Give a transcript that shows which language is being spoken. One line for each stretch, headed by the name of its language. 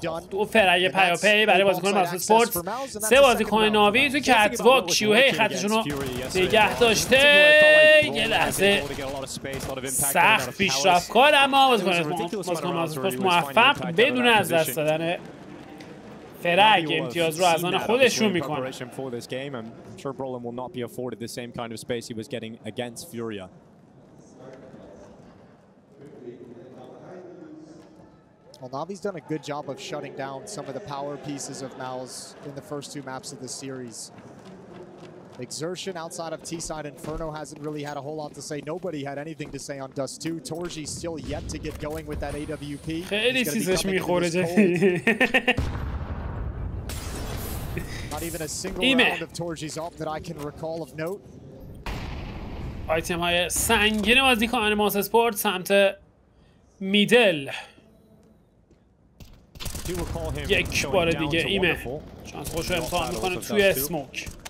Persian: دو فرعی پی و پی برای بازیکن MOUZ Sports. سه بازیکن ناوی تو کتواک شیوهی خطشون رو نگه داشته. یه لحظه سخت پیشرفت کار اما بازیکن MOUZ Sports موفق بدون از دست دادن فرگ امتیاز رو از آن خودشون میکنه.
English: I'm sure Brolin will not be afforded the same kind of space he was getting against Furia. Well, Navi's done a good job of shutting down some of the power pieces of MOUZ in the first two maps of the series. Exertion outside of T-side Inferno hasn't really had a whole lot to say. Nobody had anything to say on Dust 2. Torji still yet to get going with that AWP.
Persian: خیلی چیزش میخوره.
English: Not even a single round of Torji's op that I can recall of note.
Persian: آیتم های سنگین بازیکنان MOUZ Sport سمت میدل. یک بار دیگه ایمه چانس خوش رو امتحان میکنه توی اسموک.